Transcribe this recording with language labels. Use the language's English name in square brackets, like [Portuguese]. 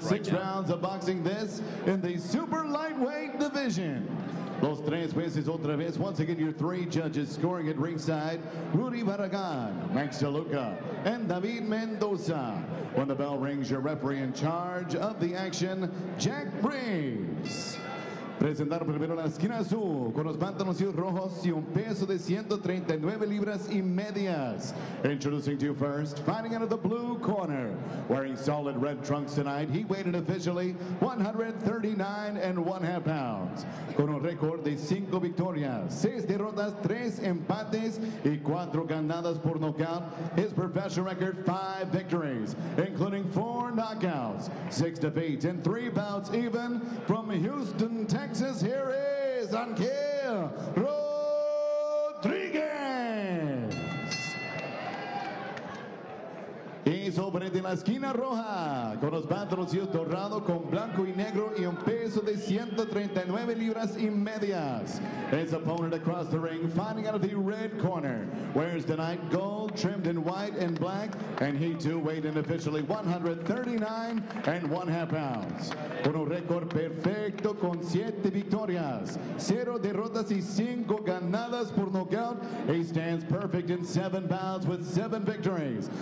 [English] Six rounds of boxing this in the super lightweight division. [Spanish] Los tres veces otra vez. [English] Once again, your three judges scoring at ringside. Rudy Barragan, Max DeLuca, and David Mendoza. When the bell rings, your referee in charge of the action, Jack Briggs. [Spanish] Presentar primero la esquina azul con los pantalones rojos y un peso de 139 libras y medias. [English] Introducing to you first, fighting out of the blue corner, wearing solid red trunks tonight, he weighed in officially 139.5 pounds. [Spanish] Con un récord de 5 victorias, 6 derrotas, 3 empates y 4 ganadas por knockout, [English] his professional record 5 victories, including 4 knockouts, 6 defeats and 3 bouts even from Houston, Texas. Texas, here is Angel Rodriguez. [Spanish] Y sobre de la esquina roja, con los pantaloncillos dorados, con blanco y negro, y un peso de 139 libras y medias. [English] His opponent across the ring, fighting out of the red corner, wears tonight gold trimmed in white and black, and he too weighed in officially 139.5 pounds. [Spanish] Con un récord perfecto, con 7 victorias, 0 derrotas y 5 ganadas por knockout, [English] he stands perfect in 7 bouts with 7 victories.